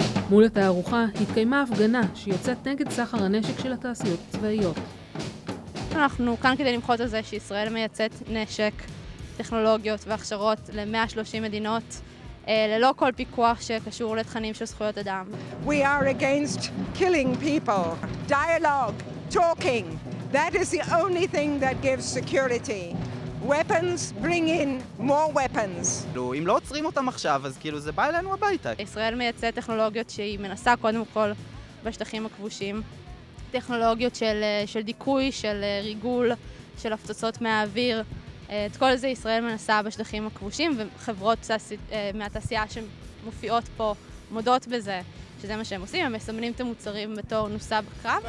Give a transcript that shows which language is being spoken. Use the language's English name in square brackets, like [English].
[Hebrew] מול התערוכה התקיימה הפגנה שיוצאת נגד סחר הנשק של התעשיות הצבאיות. אנחנו כאן כדי למחות על זה שישראל מייצאת נשק, טכנולוגיות והכשרות ל-130 מדינות, ללא כל פיקוח שקשור לתכנים של זכויות אדם. [English] We are against killing people. Dialogue, talking, that is the only thing that gives security. Weapons bring in more weapons. [Hebrew] לא, אם לא עוצרים אותם עכשיו, אז כאילו זה בא אלינו הביתה. ישראל מייצא טכנולוגיות שהיא מנסה קודם כל בשטחים הכבושים. טכנולוגיות של דיכוי, של ריגול, של הפצצות מהאוויר. את כל זה ישראל מנסה בשטחים הכבושים, וחברות מהתעשייה שמופיעות פה מודות בזה, שזה מה שהם עושים, הם מסמנים את המוצרים בתור נוסע בקרב.